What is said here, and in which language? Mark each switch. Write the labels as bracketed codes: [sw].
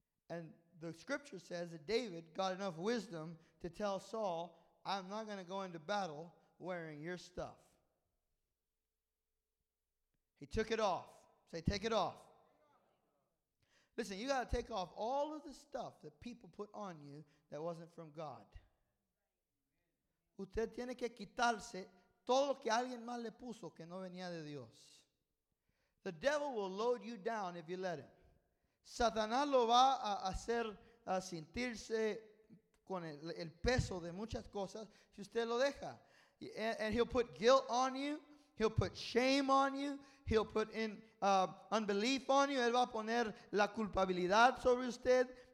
[en] And the scripture says that David got enough wisdom to tell Saul, I'm not going to go into battle wearing your stuff. He took it off. Say, take it off. Listen, you got to take off all of the stuff that people put on you that wasn't from God. [es] Usted tiene que quitarse todo lo que alguien más le puso que no venía de Dios. [en] The devil will load you down if you let him. [es] Satanás lo va a hacer a sentirse con el peso de muchas cosas si usted lo deja. [en] And he'll put guilt on you. He'll put shame on you. He'll put in unbelief on you. [es] Él va a poner la culpabilidad sobre usted.